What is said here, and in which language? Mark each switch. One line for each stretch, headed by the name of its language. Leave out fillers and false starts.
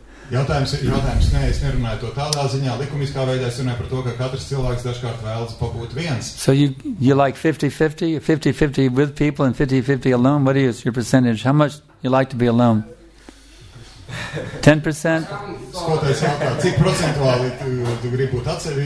Latvian: Jautājums, nē, es nerunāju to tādā ziņā, likumiskā veidā es runāju par to, ka katrs cilvēks dažkārt vēlas pabūt viens.
English: So you like 50-50, 50-50 with people and 50-50 alone? What is your percentage? How much you like to be alone? 10%?
Latvian: Skoties jautā, cik procentuāli tu gribi būt atsevišķi?